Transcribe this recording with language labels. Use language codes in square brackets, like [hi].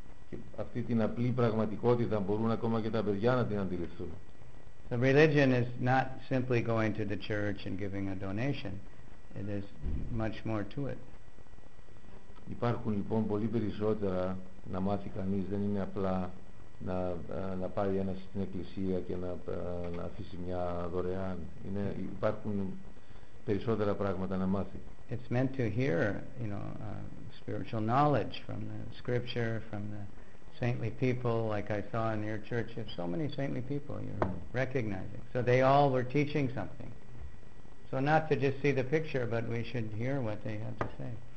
[el] Και αυτή την απλή πραγματικότητα μπορούν ακόμα και τα παιδιά να την αντιληφθούν. [en] The religion is not simply going to the church and giving a donation. It is much more to it. [el] Υπάρχουν λοιπόν πολύ περισσότερα να μάθει κανείς. Δεν είναι απλά να πάρει ένας στην εκκλησία και να αφήσει μια δωρεάν. Υπάρχουν περισσότερα πράγματα να μάθει. [en] It's meant to hear, spiritual knowledge from the scripture, from the saintly people, like I saw in your church. You have so many saintly people you're recognizing. So they all were teaching something. So not to just see the picture, but we should hear what they have to say.